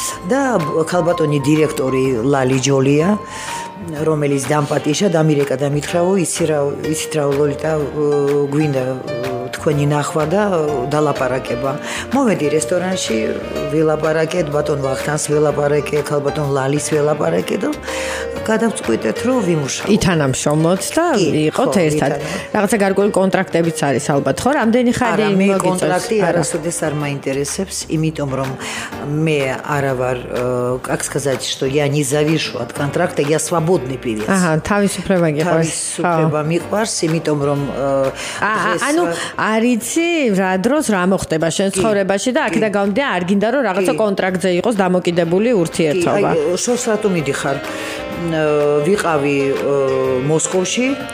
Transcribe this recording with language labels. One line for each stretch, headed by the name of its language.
Georgian: და ქალბატონი დირექტორი ლალი ჯოლია რომელიც დამპატიჟა და ამერიკა დამითხრაო იცით რა ლოლიტა გვინდა თქვენი ნახვა და დალაპარაკება მოვედი რესტორანში ვილაპარაკეთ ბატონ ვახტანს ვილაპარაკე ქალბატონ ლალის ვილაპარაკე და გადავწყვიტეთ რომ ვიმუშაოთ ითანამშრომლოთ და იყოთ ერთად რაღაცა გარკვეული კონტრაქტებიც არის ალბათ ხო რამდენი ხარი მე კონტრაქტი არასოდეს არ მაინტერესებს იმიტომ რომ მე არა ვარ
Russian: как сказать что я не завишу от контракта я свободный певец
Georgian: ага თავისუფლება მიყვარს თავისუფლება მიყვარს იმიტომ რომ ანუ არიცი რა დროს რა მოხდება შენ ცხოვრებაში და აქედა გამომდინარე არ გინდა რომ რაღაცა კონტრაქტზე იყოს დამოკიდებული ურთიერთობა კი აი შოს რატომ მიდიხარ ვიყავი მოსკოვში.